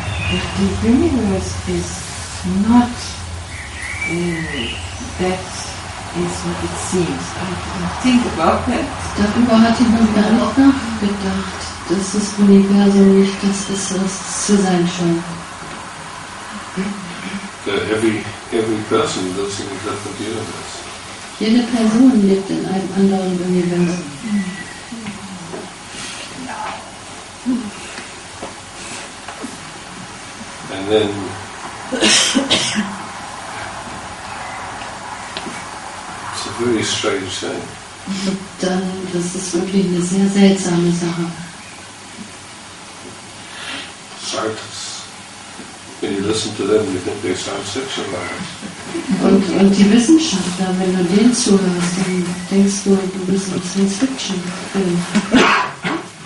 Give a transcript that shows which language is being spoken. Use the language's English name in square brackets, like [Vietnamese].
[English] If the universe is not that is what it seems, I didn't think about that. [German] Darüber hatte ich noch gar nicht nachgedacht, dass das Universum nicht das ist, was zu sein scheint. [English] Every person lives in a different universe. [German] Jede Person lebt in einem anderen Universum. [English] And then it's a very strange thing. [German] Dann, das ist wirklich eine sehr seltsame Sache. [English] Scientists, when you listen to them, you think they're science fiction writers. [German] Und die Wissenschaftler, wenn du denen zuhörst, dann denkst du, du bist ein Science Fiction Film.